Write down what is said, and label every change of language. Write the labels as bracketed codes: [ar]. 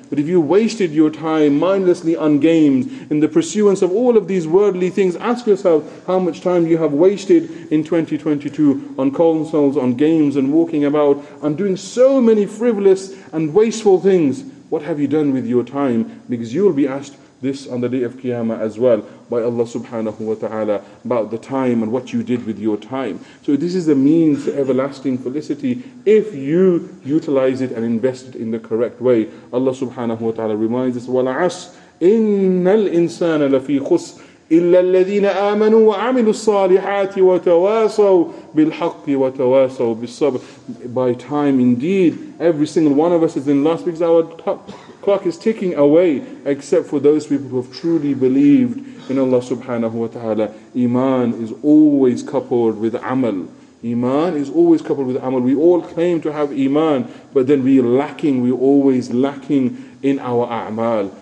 [en] But if you wasted your time mindlessly on games, in the pursuance of all of these worldly things, ask yourself how much time you have wasted in 2022 on consoles, on games, and walking about, on doing so many frivolous and wasteful things. What have you done with your time? Because you will be asked this on the day of Qiyamah as well by Allah subhanahu wa ta'ala about the time and what you did with your time. So this is the means to everlasting felicity if you utilize it and invest it in the correct way. Allah subhanahu wa ta'ala reminds us, [ar] وَالْعَصْرِ إِنَّ الْإِنسَانَ لَفِي خُسْرٍ إِلَّا الَّذِينَ آمَنُوا وَعَمِلُوا الصَّالِحَاتِ وَتَوَاصَوْا بِالْحَقِّ وَتَوَاصَوْا بِالصَّبْرِ. [en] By time indeed, every single one of us is in loss because our clock is ticking away, except for those people who have truly believed in Allah subhanahu wa ta'ala. Iman is always coupled with amal. Iman is always coupled with amal. We all claim to have iman, but then we're always lacking in our a'mal.